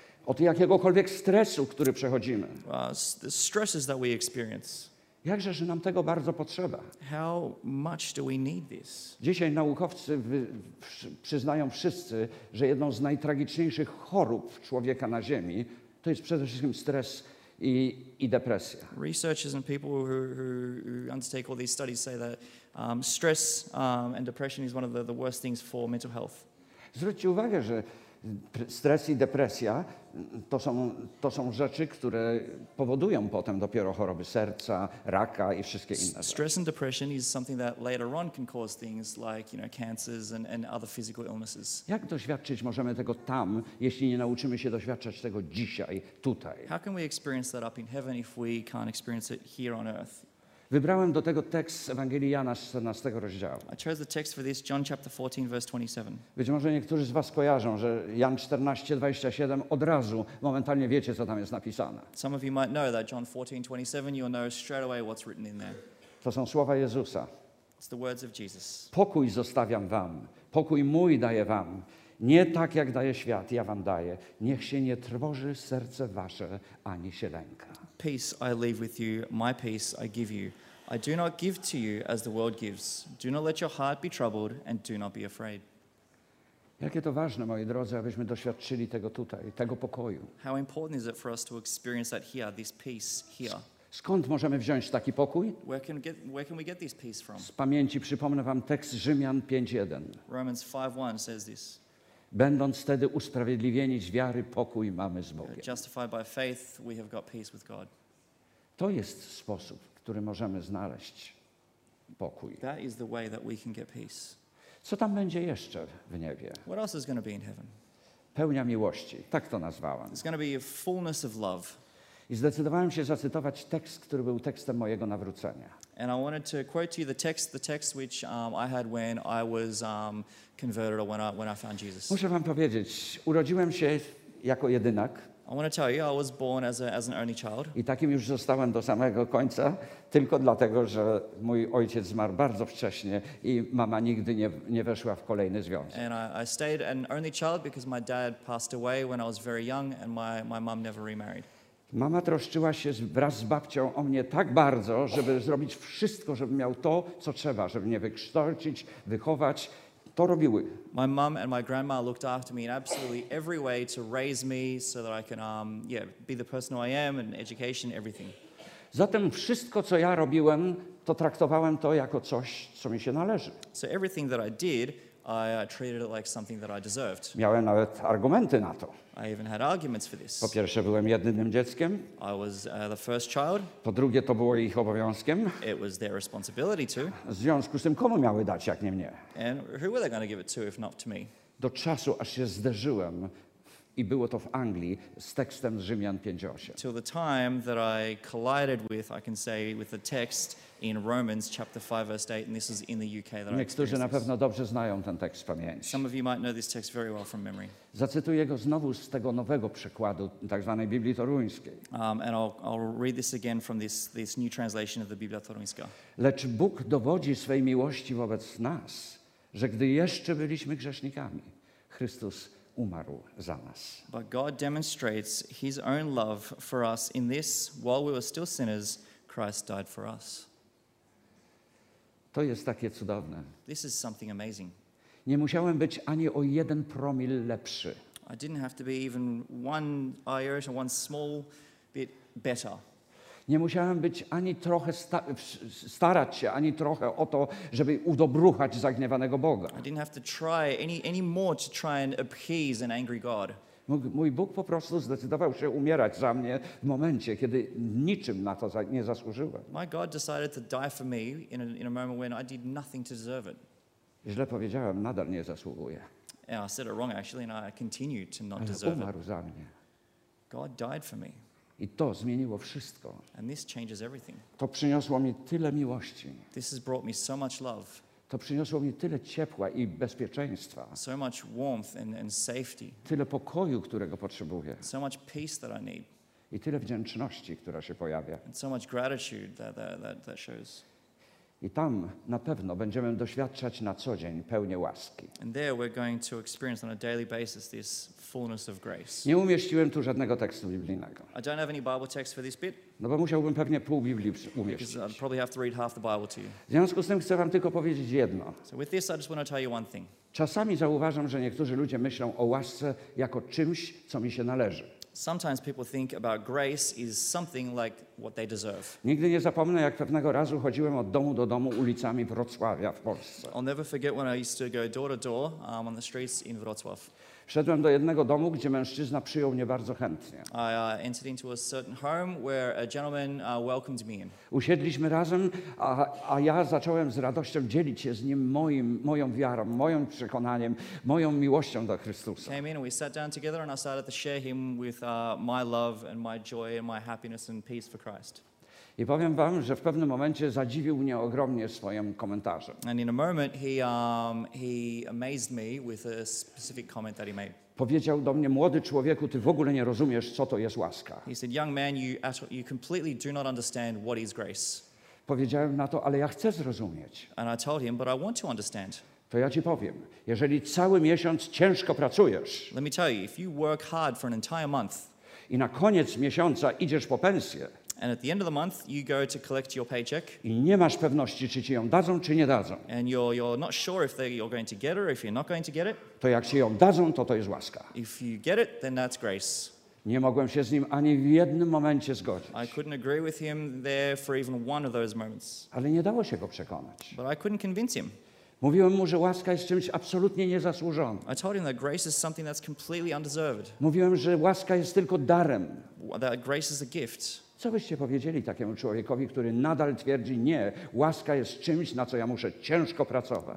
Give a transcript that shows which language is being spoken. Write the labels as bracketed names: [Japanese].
[Polish] Od jakiegokolwiek stresu, który przechodzimy. [English] The stresses that we experience. [Polish] Jakże, że nam tego bardzo potrzeba. [English] How much do we need this? [Polish] Dzisiaj naukowcy przyznają wszyscy, że jedną z najtragiczniejszych chorób człowieka na Ziemi to jest przede wszystkim stres i depresja. [English] Researchers and people who undertake all these studies say that stress and depression is one of the worst things for mental health. [Polish] Zwróćcie uwagę, że stres i depresja to są rzeczy, które powodują potem dopiero choroby serca, raka i wszystkie inne. [English] Stress and depression is something that later on can cause things like, you know, cancers and other physical illnesses. [Polish] Jak doświadczyć możemy tego tam, jeśli nie nauczymy się doświadczać tego dzisiaj, tutaj? [English] How can we experience that up in heaven if we can't experience it here on earth? [Polish] Wybrałem do tego tekst Ewangelii Jana 14 rozdziału. [English] I chose the text for this, John chapter 14, verse 27. [Polish] Być może niektórzy z was kojarzą, że Jan 14, 27 od razu, momentalnie wiecie, co tam jest napisane. [English] Some of you might know that John 14, 27, you'll know straight away what's written in there. [Polish] To są słowa Jezusa. [English] It's the words of Jesus. [Polish] Pokój zostawiam wam, pokój mój daję wam. Nie tak, jak daje świat, ja wam daję. Niech się nie trwoży serce wasze, ani się lęka. [English] Peace I leave with you, my peace I give you. I do not give to you as the world gives. Do not let your heart be troubled and do not be afraid. [Polish] Jakie to ważne, moi drodzy, abyśmy doświadczyli tego tutaj, tego pokoju. [English] How important is it for us to experience that here, this peace here? [Polish] Skąd możemy wziąć taki pokój? [English] Where can we get this peace from? [Polish] Z pamięci przypomnę wam tekst Rzymian 5:1. [English] Romans 5:1 says this. [Polish] Będąc wtedy usprawiedliwieni z wiary, pokój mamy z Bogiem. [English] Justified by faith, we have got peace with God. [Polish] To jest sposób, w którym możemy znaleźć pokój. [English] That is the way that we can get peace. [Polish] Co tam będzie jeszcze w niebie? [English] What else is going to be in heaven? [Polish] Pełnia miłości, tak to nazwałem. [English] It's going to be a fullness of love. [Polish] I zdecydowałem się zacytować tekst, który był tekstem mojego nawrócenia. [English] And I wanted to quote to you the text which I had when I was converted or when I found Jesus. [Polish] Muszę wam powiedzieć, urodziłem się jako jedynak. [English] I want to tell you, I was born as an only child. [Polish] I takim już zostałem do samego końca, tylko dlatego, że mój ojciec zmarł bardzo wcześnie i mama nigdy nie weszła w kolejny związek. [English] And I stayed an only child because my dad passed away when I was very young and my mom never remarried. [Polish] Mama troszczyła się wraz z babcią o mnie tak bardzo, żeby zrobić wszystko, żeby miał to, co trzeba, żeby mnie wykształcić, wychować. To robiły. [English] My mom and my grandma looked after me in absolutely every way to raise me so that I can be the person who I am and education, everything. [Polish] Zatem wszystko, co ja robiłem, to traktowałem to jako coś, co mi się należy. [English] So everything that I did, I treated it like something that I deserved. [Polish] Miałem nawet argumenty na to. [English] I even had arguments for this. [Polish] Po pierwsze, byłem jedynym dzieckiem. [English] I was the first child. [Polish] Po drugie, to było ich obowiązkiem. [English] It was their responsibility too. [Polish] W związku z tym, komu miały dać, jak nie mnie? [English] And who were they going to give it to, if not to me? [Polish] Do czasu, aż się zderzyłem, i było to w Anglii, z tekstem z Rzymian 5:8. [English] Till the time that I collided with, I can say, with the text in Romans chapter 5, verse 8, and this is in the UK that I experienced. [Polish] Niektórzy na pewno dobrze znają ten tekst z pamięci. [English] Some of you might know this text very well from memory. [Polish] Zacytuję go znowu z tego nowego przekładu, tak zwanej Biblii Toruńskiej. [English] And I'll read this again from this new translation of the Biblia Toruńska. [Polish] Lecz Bóg dowodzi swej miłości wobec nas, że gdy jeszcze byliśmy grzesznikami, Chrystus umarł za nas. [English] But God demonstrates his own love for us in this, while we were still sinners, Christ died for us. [Polish] To jest takie cudowne. [English] This is something amazing. [Polish] Nie musiałem być ani o jeden promil lepszy. [English] I didn't have to be even one iota, one small bit better. [Polish] Nie musiałem być ani trochę starać się, ani trochę o to, żeby udobruchać zagniewanego Boga. [English] I didn't have to try any more to try and appease an angry God. [Polish] Mój Bóg po prostu zdecydował się umierać za mnie w momencie, kiedy niczym na to nie zasłużyłem. [English] My God decided to die for me in a moment when I did nothing to deserve it. [Polish] Źle powiedziałem, nadal nie zasługuję. [English] And I said it wrong actually, and I continue to not deserve it. [Polish] Umarł za mnie. [English] God died for me. [Polish] I to zmieniło wszystko. [English] And this changes everything. [Polish] To przyniosło mi tyle miłości. [English] This has brought me so much love. [Polish] To przyniosło mi tyle ciepła i bezpieczeństwa. [English] So much warmth and safety. [Polish] Tyle pokoju, którego potrzebuję. [English] So much peace that I need. [Polish] I tyle wdzięczności, która się pojawia. [English] And so much gratitude that shows. [Polish] I tam na pewno będziemy doświadczać na co dzień pełnię łaski. [English] And there we're going to experience on a daily basis this fullness of grace. [Polish] Nie umieściłem tu żadnego tekstu biblijnego. [English] I don't have any Bible text for this bit. [Polish] No bo musiałbym pewnie pół Biblii umieścić. [English] Because I'd probably have to read half the Bible to you. [Polish] W związku z tym chcę wam tylko powiedzieć jedno. [English] So with this I just want to tell you one thing. [Polish] Czasami zauważam, że niektórzy ludzie myślą o łasce jako czymś, co mi się należy. [English] Sometimes people think about grace is something like what they deserve. [Polish] Nigdy nie zapomnę, jak pewnego razu chodziłem od domu do domu ulicami Wrocławia w Polsce. [English] I'll never forget when I used to go door to door on the streets in Wrocław. [Polish] Wszedłem do jednego domu, gdzie mężczyzna przyjął mnie bardzo chętnie. [English] I entered into a certain home where a gentleman welcomed me in. [Polish] Usiedliśmy razem, a ja zacząłem z radością dzielić się z nim moją wiarą, moim przekonaniem, moją miłością do Chrystusa. [English] Came in and we sat down together and I started to share him with my love and my joy and my happiness and peace for Christ. [Polish] I powiem wam, że w pewnym momencie zadziwił mnie ogromnie swoim komentarzem. [English] And in a moment he amazed me with a specific comment that he made. [Polish] Powiedział do mnie: młody człowieku, ty w ogóle nie rozumiesz, co to jest łaska. [English] He said, young man, you completely do not understand what is grace. [Polish] Powiedziałem na to: ale ja chcę zrozumieć. [English] And I told him, but I want to understand. [Polish] To ja ci powiem, jeżeli cały miesiąc ciężko pracujesz. [English] Let me tell you, if you work hard for an entire month. [Polish] I na koniec miesiąca idziesz po pensję. [English] And at the end of the month, you go to collect your paycheck. [Polish] I nie masz pewności, czy ci ją dadzą, czy nie dadzą. [English] And you're not sure if you're going to get it or if you're not going to get it. [Polish] To jak ci ją dadzą, to jest łaska. [English] If you get it, then that's grace. [Polish] Nie mogłem się z nim ani w jednym momencie zgodzić. [English] I couldn't agree with him there for even one of those moments. [Polish] Ale nie dało się go przekonać. [English] But I couldn't convince him. [Polish] Mówiłem mu, że łaska jest czymś absolutnie niezasłużonym. [English] I told him that grace is something that's completely undeserved. [Polish] Mówiłem, że łaska jest tylko darem. [English] That grace is a gift. [Polish] Co byście powiedzieli takiemu człowiekowi, który nadal twierdzi: nie, łaska jest czymś, na co ja muszę ciężko pracować?